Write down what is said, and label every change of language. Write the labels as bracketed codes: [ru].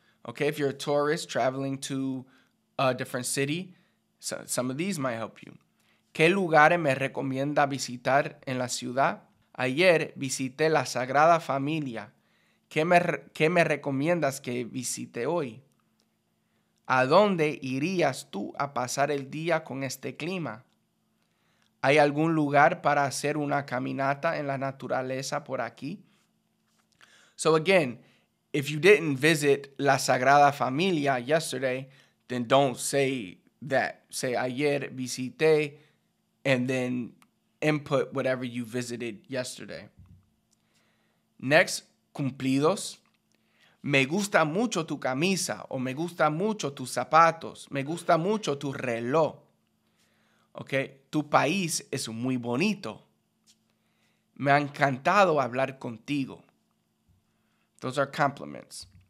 [en] Okay, if you're a tourist traveling to a different city, so some of these might help you. [es] ¿Qué lugares me recomienda visitar en la ciudad? Ayer visité la Sagrada Familia. ¿Qué me recomiendas que visite hoy? ¿A dónde irías tú a pasar el día con este clima? ¿Hay algún lugar para hacer una caminata en la naturaleza por aquí? [en] So again, if you didn't visit La Sagrada Familia yesterday, then don't say that. Say, [es] ayer visité, [en] and then input whatever you visited yesterday. Next, cumplidos. [es] Me gusta mucho tu camisa, o me gusta mucho tus zapatos. Me gusta mucho tu reloj. Okay, tu país es muy bonito. Me ha encantado hablar contigo. [en] Those are compliments.